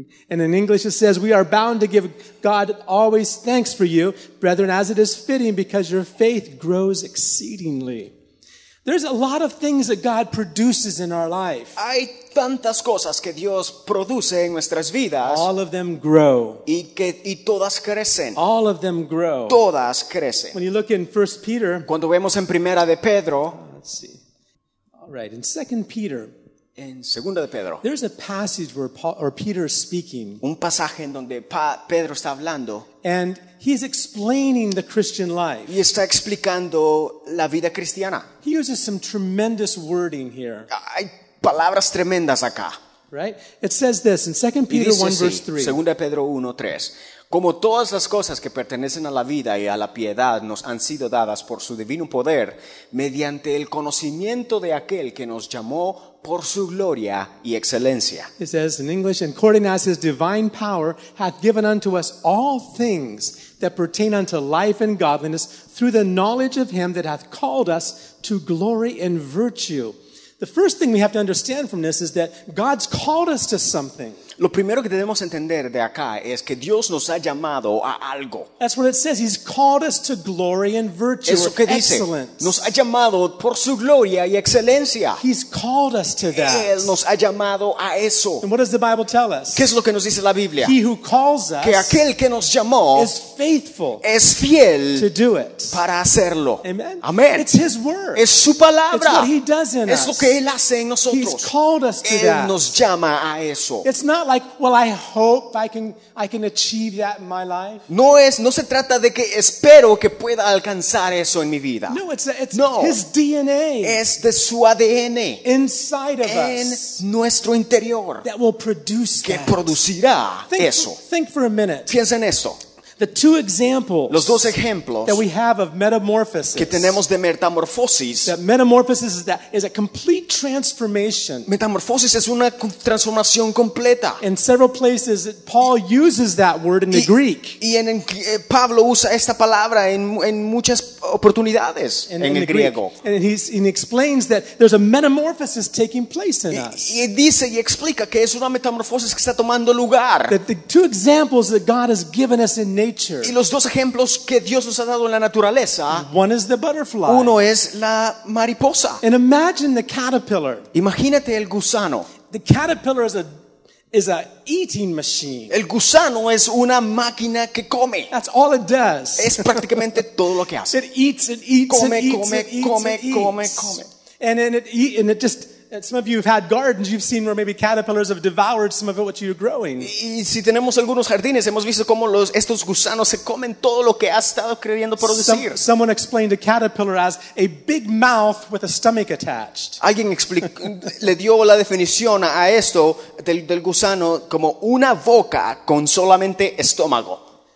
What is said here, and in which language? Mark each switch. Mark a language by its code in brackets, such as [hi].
[en] And in English it says, we are bound to give God always thanks for you, brethren, as it is fitting, because your faith grows exceedingly. There's a lot of things that God produces in our life. [es] Hay tantas cosas que Dios produce en nuestras vidas. [en] All of them grow. [es] Y todas crecen. [en] All of them grow. [es] Todas crecen. [en] When you look in 1 Peter. [es] Cuando vemos en Primera de Pedro. [en] Let's see. All right, in 2 Peter. [es] En segunda de Pedro. [en] There's a passage where Peter is speaking. [es] Un pasaje en donde Pedro está hablando. [en] And he's explaining the Christian life. [es] Y está explicando la vida cristiana. [en] He uses some tremendous wording here. [es] Hay palabras tremendas acá. [en] Right? It says this in 2 Peter 1 verse 3. [es] Segunda de Pedro 1:3. Como todas las cosas que pertenecen a la vida y a la piedad nos han sido dadas por su divino poder, mediante el conocimiento de aquel que nos llamó por su gloria y excelencia. [en] It says in English, according as his divine power hath given unto us all things that pertain unto life and godliness through the knowledge of him that hath called us to glory and virtue. The first thing we have to understand from this is that God's called us to something. [es] Lo primero que debemos entender de acá es que Dios nos ha llamado a algo. [en] That's what it says. He's called us to glory and virtue. [es] Eso que dice, [en] excellence. [es] Nos ha llamado por su gloria y excelencia. [en] He's called us to that. [es] Él nos ha llamado a eso. [en] And what does the Bible tell us? [es] ¿Qué es lo que nos dice la Biblia? [en] He who calls us, [es] que aquel que nos llamó, [en] is faithful, [es] es fiel, [en] to do it, [es] para hacerlo. Amen. Amen. [en] It's his word. [es] Es su palabra. [en] It's what he does in [es] es [en] us. [es] Lo que él hace en nosotros. [en] He's called us to [es] él [en] that. [es] Nos llama a eso. [en] It's not like, well, I hope I can achieve that in my life. [es] No se trata de que espero que pueda alcanzar eso en mi vida. [en] No, it's his DNA. [es] Es de su ADN. [en] Inside of us. [es] En nuestro interior. [en] That will produce [es] que [en] that. [es] Producirá [en] think, [es] eso. [en] Think for a minute. [es] Piensa en esto. [en] The two examples, [es] los dos ejemplos, [en] that we have of metamorphosis, [es] que tenemos de metamorfosis, [en] that metamorphosis is a complete transformation. [es] Metamorfosis es una transformación completa. [en] In several places, Paul uses that word in the Greek. [es] Y en Pablo usa esta palabra en muchas oportunidades en el griego. [en] And he explains that there's a metamorphosis taking place in us. [es] Y dice y explica que es una metamorfosis que está tomando lugar. [en] That the two examples that God has given us in [es] y los dos ejemplos que Dios nos ha dado en la naturaleza. [en] One is the butterfly. [es] Uno es la mariposa. [en] And imagine the caterpillar. [es] Imagínate el gusano. [en] The caterpillar is a eating machine. [es] El gusano es una máquina que come. [en] That's all it does. [es] Es prácticamente todo lo que hace. [en] It eats. And it just. Some of you have had gardens, you've seen where maybe caterpillars have devoured some of what you're growing. [es] Y si tenemos algunos jardines, hemos visto cómo estos gusanos se comen todo lo que ha estado creciendo por decir. [en] Someone explained a caterpillar as a big mouth with a stomach attached. [es] Alguien le dio la definición a esto del gusano como una boca con solamente estómago.